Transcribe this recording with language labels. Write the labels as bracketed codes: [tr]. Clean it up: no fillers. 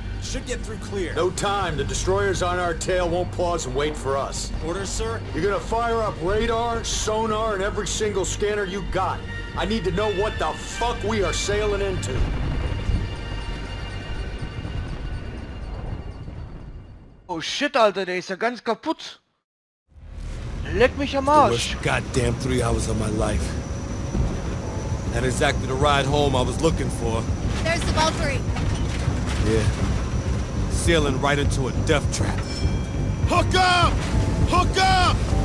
[en] Should get through clear. No time. The destroyers on our tail won't pause and wait for us. Orders, sir? You're gonna fire up radar, sonar, and every single scanner you got. I need to know what the fuck we are sailing into. [de] Oh shit, Alter, der ist ja ganz kaputt. Leck mich am Arsch. [en] The worst goddamn 3 hours of my life. Not exactly the ride home I was looking for. There's the Valkyrie. Yeah. Sailing right into a death trap. Hook up! Hook up!